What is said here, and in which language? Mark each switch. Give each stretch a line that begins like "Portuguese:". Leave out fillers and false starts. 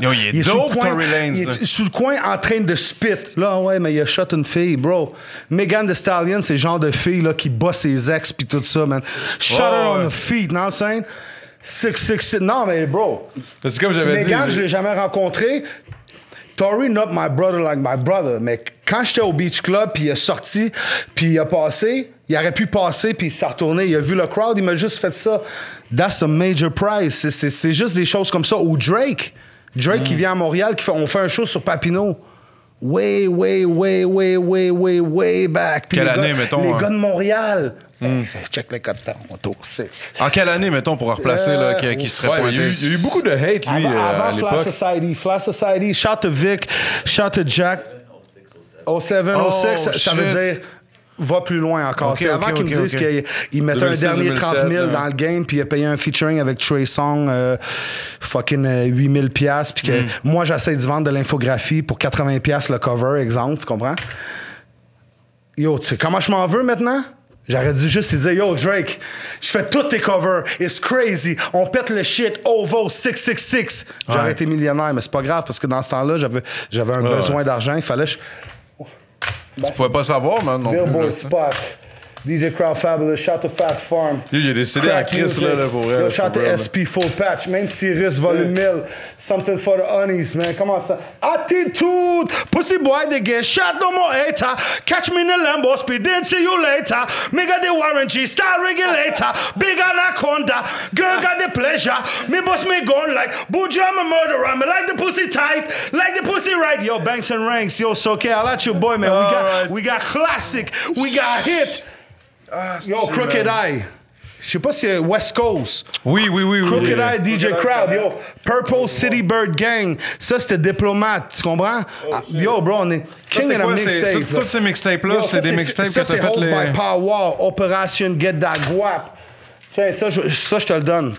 French: Yo, il est dope, coin, Tory Lanez. Il est sur le coin en train de spit. Là, ouais, mais il a shot une fille, bro. Megan Thee Stallion, c'est le genre de fille, là, qui bosse ses ex, puis tout ça, man.
English: Shot on the feet, you know what I'm saying?
French: 6-6-6. Non, mais bro. C'est comme j'avais dit. Les gars, je l'ai jamais rencontré.
English: Tory, not my brother like my brother.
French: Mais quand j'étais au Beach Club, puis il est sorti, puis il a passé, il aurait pu passer, puis il s'est retourné. Il a vu le crowd, il m'a juste fait ça.
English: That's a major prize.
French: C'est juste des choses comme ça. Ou Drake. Drake qui vient à Montréal, qui fait, on fait un show sur Papineau.
English: Way, way, way, way, way, way, way back.
French: Pis quelle année, gars, mettons? Les gars de Montréal. Check les codes temps, mon tour. En quelle année, mettons, pour replacer, là, qui serait pointé? Il y a eu beaucoup de hate, lui, avant à
English: Fly Society. Fly Society, shout to Vic, shout to Jack.
French: 07, 06, ça veut dire, va plus loin encore. Okay, c'est avant qu'ils me disent qu'il mettait un dernier 30 000 dans le game, puis il a payé un featuring avec Trey Song, fucking 8 000 $, puis que moi, j'essaie de vendre de l'infographie pour 80 $ le cover, exemple, tu comprends? Yo, tu sais comment je m'en veux maintenant? J'aurais dû juste dire, yo, Drake, je fais tous tes covers,
English: it's crazy,
French: on pète le shit, OVO 666. J'aurais été millionnaire, mais c'est pas grave, parce que dans ce temps-là, j'avais un besoin d'argent, il fallait... Tu pouvais pas savoir, man, non
English: Billboard
French: plus.
English: Billboard Spot, DJ Crowd Fabulous, shout to Fat Farm.
French: Yo, il a décidé à Chris, là, pour elle.
English: Shout to SP, Full Patch, même Cyrus, Volume 1000, Something for the Honeys, man, comment ça? Attitude, pussy boy, the gay, shout no more hater, catch me in the Lambo, speed, then see you later, me got the Warren G, style regulator, big anaconda, girl got the pleasure, me boss me gone like, Buju, I'm a murderer, me like the pussy tight, like the pussy right, yo, Banks and Ranks, yo, so okay, I like your boy, man, we got, we got classic, we got hit, yo, Crooked Eye.
French: Je sais pas si c'est West Coast. Oui.
English: Crooked Eye, DJ Crowd. Yo, Purple City Bird Gang.
French: Ça, c'était Diplomate. Tu comprends? Oh, yo, bro, on est
English: king of the mixtapes.
French: Toutes ces mixtapes-là, c'est des mixtapes que t'as fait les. Ça, c'est Host by Power, Operation Get That Guap. Tiens, ça, je te le donne.